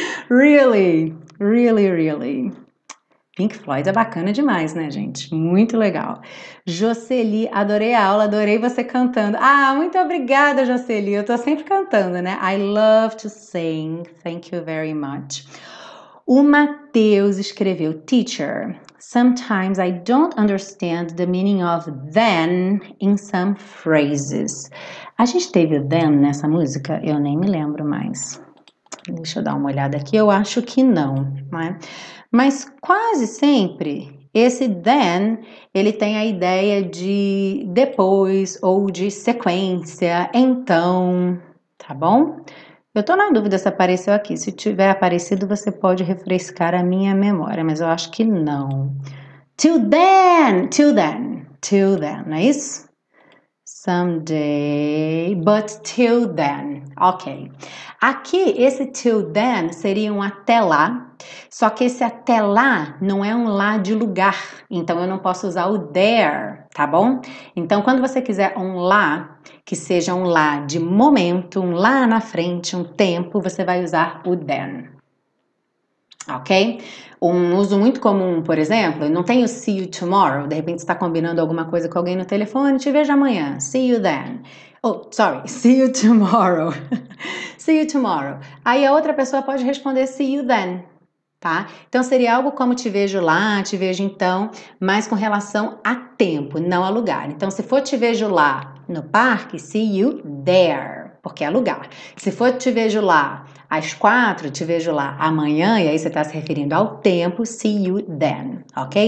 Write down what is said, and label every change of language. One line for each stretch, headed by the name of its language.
English: Really, really, really.
Portuguese: Pink Floyd é bacana demais, né, gente? Muito legal. Jocely, adorei a aula, adorei você cantando. Ah, muito obrigada, Jocely. Eu tô sempre cantando, né?
English: I love to sing. Thank you very much.
Portuguese: O Matheus escreveu:
English: Teacher, sometimes I don't understand the meaning of then in some phrases.
Portuguese: A gente teve then nessa música? Eu nem me lembro mais. Deixa eu dar uma olhada aqui. Eu acho que não, né? Mas quase sempre esse then ele tem a ideia de depois ou de sequência, então, tá bom? Eu tô na dúvida se apareceu aqui. Se tiver aparecido, você pode refrescar a minha memória, mas eu acho que não.
English: Till then, till then, till then,
Portuguese: não é isso?
English: Someday, but till then. Ok.
Portuguese: Aqui, esse
English: till then
Portuguese: seria um até lá, só que esse até lá não é um lá de lugar, então eu não posso usar o there, tá bom? Então, quando você quiser um lá, que seja um lá de momento, um lá na frente, um tempo, você vai usar o then. Ok? Um uso muito comum, por exemplo, não tem o
English: see you tomorrow,
Portuguese: de repente você está combinando alguma coisa com alguém no telefone, te vejo amanhã.
English: See you then. Oh, sorry, see you tomorrow. See you tomorrow.
Portuguese: Aí a outra pessoa pode responder
English: see you then,
Portuguese: tá? Então seria algo como te vejo lá, te vejo então, mas com relação a tempo, não a lugar. Então se for te vejo lá no parque,
English: see you there,
Portuguese: porque é lugar. Se for te vejo lá às 4, te vejo lá amanhã, e aí você está se referindo ao tempo,
English: see you then,
Portuguese: ok?